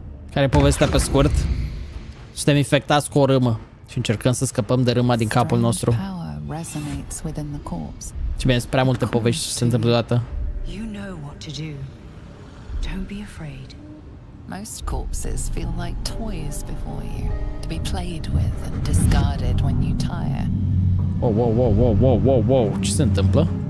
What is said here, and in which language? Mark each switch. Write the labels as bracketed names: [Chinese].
[Romanian] Care-i povestea pe scurt? Suntem infectați cu o râmă și încercăm să scăpăm de râma din capul nostru. Ce bine, sunt prea multe povești și se întâmplă deodată. [English] You know what to do. Don't be afraid. Most corpses feel like toys before you, to be played with and discarded when you tire. [Romanian] Whoa, whoa, whoa, whoa, whoa, whoa, whoa, ce se întâmplă?